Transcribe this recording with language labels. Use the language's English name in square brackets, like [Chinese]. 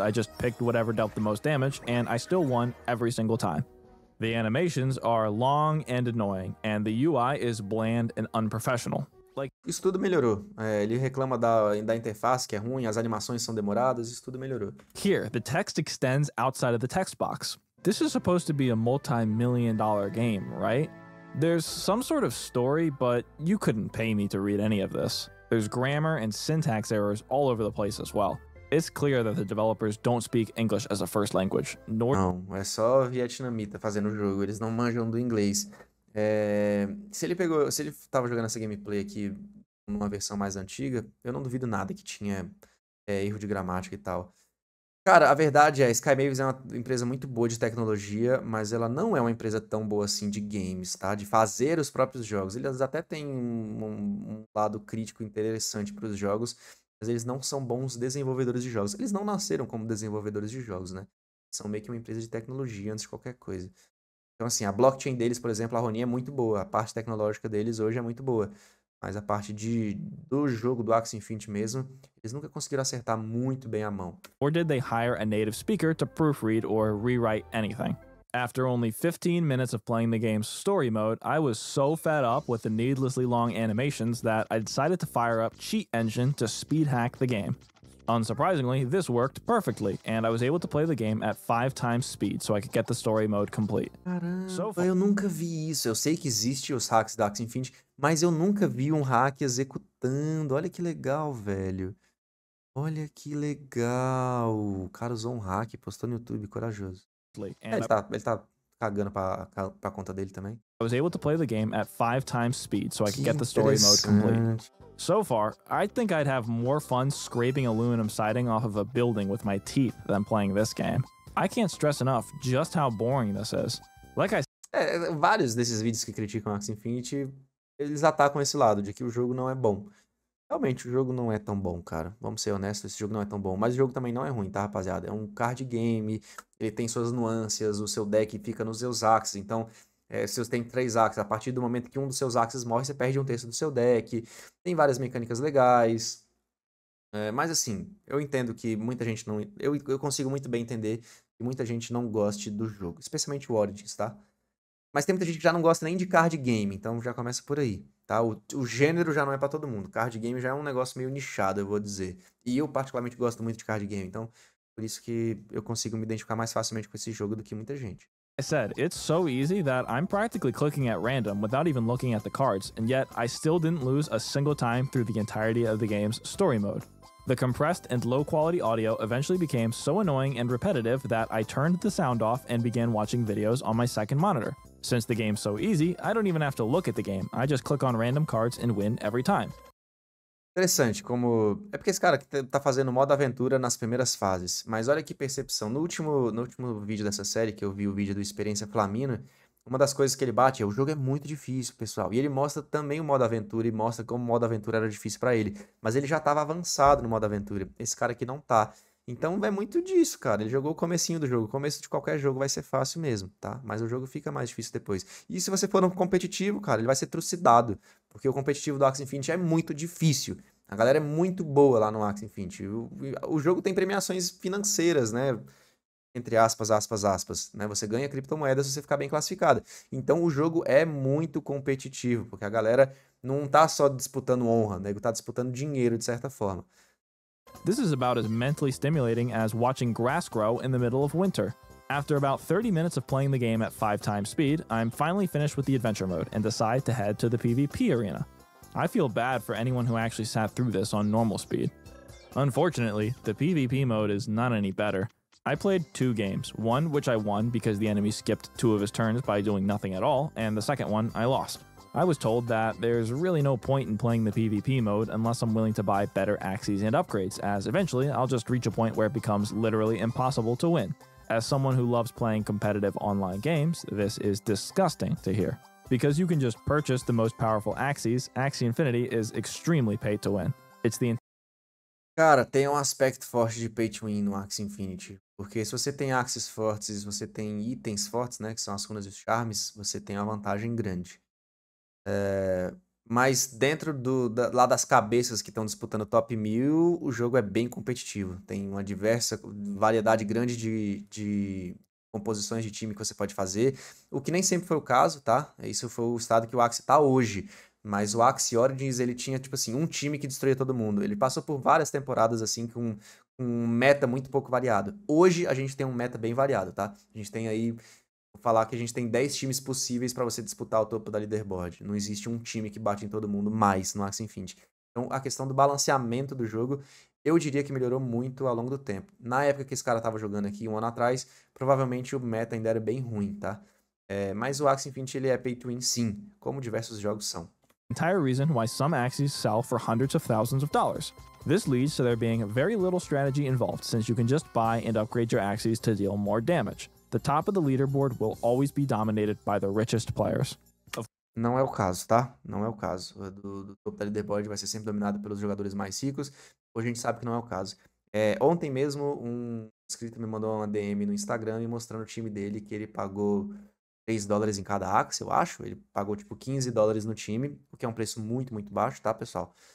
[English] I just picked whatever dealt the most damage, and I still won every single time. The animations are long and annoying, and the UI is bland and unprofessional. Like, [Portuguese] isso tudo melhorou. Ele reclama da interface que é ruim, as animações são demoradas, isso tudo melhorou. [English] Here, the text extends outside of the text box. This is supposed to be a multi-million dollar game, right? There's some sort of story, but you couldn't pay me to read any of this. There's grammar and syntax errors all over the place as well. It's clear that the developers don't speak English as a first language, nor... [Portuguese] Não, é só vietnamita fazendo o jogo, eles não manjam do inglês. Se ele tava jogando essa gameplay aqui numa versão mais antiga, eu não duvido nada que tinha erro de gramática e tal. Cara, a verdade é, SkyMavis é uma empresa muito boa de tecnologia, mas ela não é uma empresa tão boa assim de games, tá? De fazer os próprios jogos. Eles até têm um lado crítico interessante para os jogos, mas eles não são bons desenvolvedores de jogos. Eles não nasceram como desenvolvedores de jogos, né? São meio que uma empresa de tecnologia antes de qualquer coisa. Então, assim, a blockchain deles, por exemplo, a Ronin é muito boa. A parte tecnológica deles hoje é muito boa. Mas a parte do jogo, do Axie Infinity mesmo, eles nunca conseguiram acertar muito bem a mão. [English] Or did they hire a native speaker to proofread or rewrite anything? After only 15 minutes of playing the game's story mode, I was so fed up with the needlessly long animations that I decided to fire up Cheat Engine to speed hack the game. Unsurprisingly, this worked perfectly, and I was able to play the game at 5x speed so I could get the story mode complete. [Portuguese] Caramba, [English] so far, [Portuguese] eu nunca vi isso. Eu sei que existe os hacks da Axie Infinity, mas eu nunca vi hack executando. Olha que legal, velho. Olha que legal. O cara usou hack, postou no YouTube, corajoso. Ele tá cagando pra conta dele também. [English] I was able to play the game at 5x speed so I could get the story mode complete. So far, I think I'd have more fun scraping aluminum siding off of a building with my teeth than playing this game. I can't stress enough just how boring this is. Like I said, [Portuguese] vários desses vídeos que criticam Axie Infinity, eles atacam esse lado de que o jogo não é bom. Realmente, o jogo não é tão bom, cara. Vamos ser honestos, esse jogo não é tão bom. Mas o jogo também não é ruim, tá, rapaziada? É um card game, ele tem suas nuances, o seu deck fica nos seus axes. Então, se você tem três axes, a partir do momento que um dos seus axes morre, você perde um terço do seu deck. Tem várias mecânicas legais. Mas assim, eu entendo que muita gente não... Eu consigo muito bem entender que muita gente não goste do jogo. Especialmente o Origins, tá? Mas tem muita gente que já não gosta nem de card game, então já começa por aí. Tá, o gênero já não é pra todo mundo. Card game já é um negócio meio nichado, eu vou dizer. E eu particularmente gosto muito de card game, então por isso que eu consigo me identificar mais facilmente com esse jogo do que muita gente. [English] I said, it's so easy that I'm practically clicking at random without even looking at the cards, and yet I still didn't lose a single time through the entirety of the game's story mode. The compressed and low quality audio eventually became so annoying and repetitive that I turned the sound off and began watching videos on my second monitor. Since the game's so easy, I don't even have to look at the game. I just click on random cards and win every time. [Portuguese] Interessante como... É porque esse cara aqui tá fazendo modo aventura nas primeiras fases. Mas olha que percepção. No último vídeo dessa série, que eu vi o vídeo do Experiência Flamina, Uma das coisas que ele bate é o jogo é muito difícil, pessoal. E ele mostra também o modo aventura e mostra como o modo aventura era difícil pra ele. Mas ele já tava avançado no modo aventura. Esse cara aqui não tá. Então é muito disso, cara. Ele jogou o comecinho do jogo. O começo de qualquer jogo vai ser fácil mesmo, tá? Mas o jogo fica mais difícil depois. E se você for no competitivo, cara, ele vai ser trucidado. Porque o competitivo do Axie Infinity é muito difícil. A galera é muito boa lá no Axie Infinity. O jogo tem premiações financeiras, né? Entre aspas, aspas, aspas, né? Você ganha criptomoedas se você ficar bem classificado. Então o jogo é muito competitivo, porque a galera não tá só disputando honra, né? Tá disputando dinheiro de certa forma. [English] This is about as mentally stimulating as watching grass grow in the middle of winter. After about 30 minutes of playing the game at 5x speed, I'm finally finished with the adventure mode and decide to head to the PvP arena. I feel bad for anyone who actually sat through this on normal speed. Unfortunately, the PvP mode is not any better. I played two games, one which I won because the enemy skipped two of his turns by doing nothing at all, and the second one I lost. I was told that there's really no point in playing the PvP mode unless I'm willing to buy better axes and upgrades, as eventually I'll just reach a point where it becomes literally impossible to win. As someone who loves playing competitive online games, this is disgusting to hear. Because you can just purchase the most powerful axes, Axie Infinity is extremely pay to win. It's the [Portuguese] Cara, tem um aspecto forte de pay to win no Axie Infinity. Porque se você tem axes fortes, você tem itens fortes, né, que são as runas e os charmes, você tem uma vantagem grande. Mas dentro lá das cabeças que estão disputando top 1000, o jogo é bem competitivo. Tem uma diversa variedade grande de composições de time que você pode fazer. O que nem sempre foi o caso, tá? Isso foi o estado que o Axie tá hoje. Mas o Axie Origins, ele tinha, tipo assim, um time que destruía todo mundo. Ele passou por várias temporadas, assim, com um meta muito pouco variado. Hoje, a gente tem um meta bem variado, tá? A gente tem aí... Vou falar que a gente tem 10 times possíveis pra você disputar o topo da leaderboard. Não existe um time que bate em todo mundo mais no Axie Infinity. Então, a questão do balanceamento do jogo, eu diria que melhorou muito ao longo do tempo. Na época que esse cara tava jogando aqui, um ano atrás, provavelmente o meta ainda era bem ruim, tá? Mas o Axie Infinity, ele é pay to win, sim. Como diversos jogos são. [English] Entire reason why some axes sell for hundreds of thousands of dollars. This leads to there being very little strategy involved, since you can just buy and upgrade your axes to deal more damage. The top of the leaderboard will always be dominated by the richest players. [Portuguese] Não é o caso, tá? Não é o caso. Do top da leaderboard vai ser sempre dominado pelos jogadores mais ricos. Hoje a gente sabe que não é o caso. Ontem mesmo um inscrito me mandou uma DM no Instagram e mostrando o time dele que ele pagou 3 dólares em cada Axie, eu acho. Ele pagou tipo 15 dólares no time, o que é um preço muito, muito baixo, tá, pessoal?